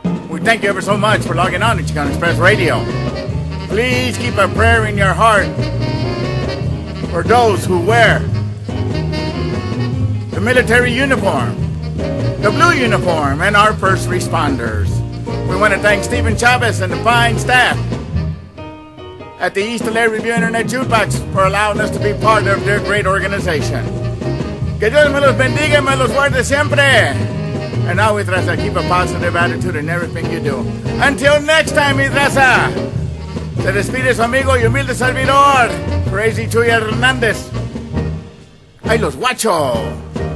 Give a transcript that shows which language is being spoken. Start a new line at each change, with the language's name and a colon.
English: We thank you ever so much for logging on to Chicano Express Radio. Please keep a prayer in your heart for those who wear the military uniform, the blue uniform, and our first responders. We want to thank Stephen Chavez and the fine staff at the East LA Review Internet Jukebox for allowing us to be part of their great organization.
Spanish: Que Dios me los bendiga y me los guarde siempre.
English: And now, Mitraza, keep a positive attitude in everything you do. Until next time, Mitraza.
Spanish: Se despide su amigo y humilde servidor, Crazy Chuy Hernández. ¡Ay, los guachos!